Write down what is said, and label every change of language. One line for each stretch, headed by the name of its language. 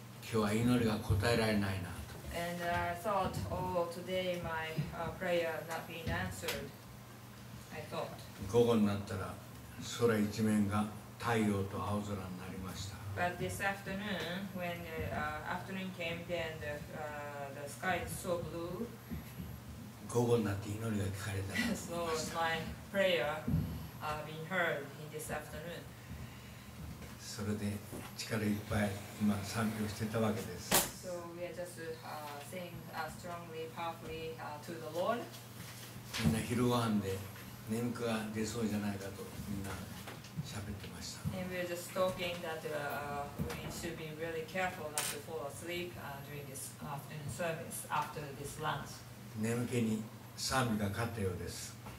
Japanese: 今日は祈りが答えられないなと。
English: And I thought, oh, today my prayer not being answered. I thought.
Japanese: 午後になったら空一面が太陽と青空になりました。
English: But this afternoon, when the afternoon came, then the sky is so blue.
Japanese: 午後になって祈りが聞かれた。
English: So my prayer being heard in this afternoon.
Japanese: それで力いっぱい今賛美をしてたわけです。
English: So we are just saying strongly, powerfully to the Lord.
Japanese: みんな昼ごはんで眠くが出そうじゃないかとみんな喋ってました。
English: And we are just talking that we should be really careful not to fall asleep during this afternoon service after this lunch.
Japanese: 眠気に賛美が勝ったようです。